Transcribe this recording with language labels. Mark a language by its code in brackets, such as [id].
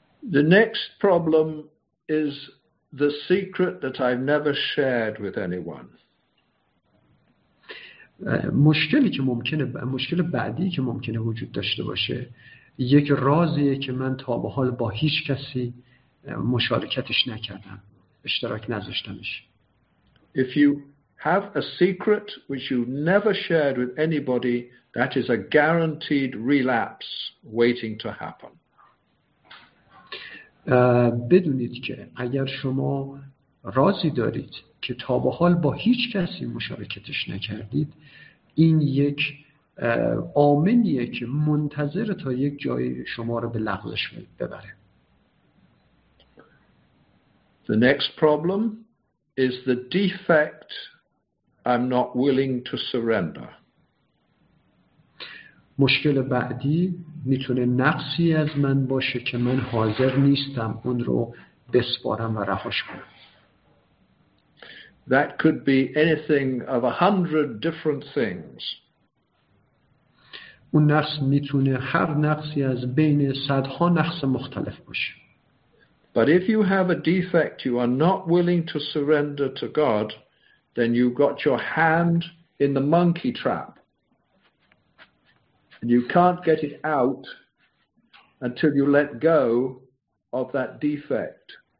[en] The next problem is the secret that I've never shared with anyone. [fa] مشکل بعدی که ممکنه وجود داشته باشه یک رازیه که من تا به حال با هیچ کسی مشارکتش نکردم، اشتراک نذاشتمش. [en] If you have a secret which you never shared with anybody, that is a guaranteed relapse waiting to happen. [fa] بدونید که اگر شما رازی دارید که تا به حال با هیچ کسی مشارکتش نکردید، این یک عاملیه که منتظر تا یک جای شما رو به لغزش ببره. [en] The next problem is the defect I'm not willing to surrender. [fa] مشکل بعدی میتونه نقصی از من باشه که من حاضر نیستم اون رو بسپارم و رهاش کنم. [en] That could be anything of 100 different things. [fa] اون نقص میتونه هر نقصی از بین صدها نقص مختلف باشه. [en] But if you have a defect you are not willing to surrender to God, then you got your hand in the monkey trap. And you can't get it out until you let go of that defect.